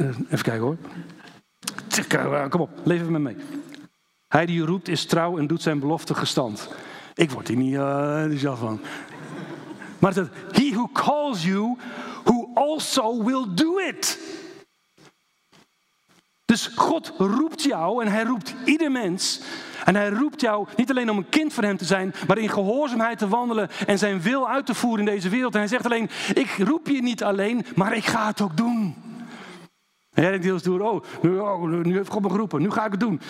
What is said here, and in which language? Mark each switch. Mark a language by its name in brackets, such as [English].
[Dutch] Even kijken hoor. Kom op, leef even met mee. Hij die u roept is trouw en doet zijn belofte gestand. Ik word hier niet zelf van. Maar het zegt, [English] he who calls you, who also will do it. [Dutch] Dus God roept jou en hij roept ieder mens. En hij roept jou niet alleen om een kind van hem te zijn, maar in gehoorzaamheid te wandelen en zijn wil uit te voeren in deze wereld. En hij zegt alleen, ik roep je niet alleen, maar ik ga het ook doen. En jij denkt deels door, nu heeft God me geroepen, nu ga ik het doen.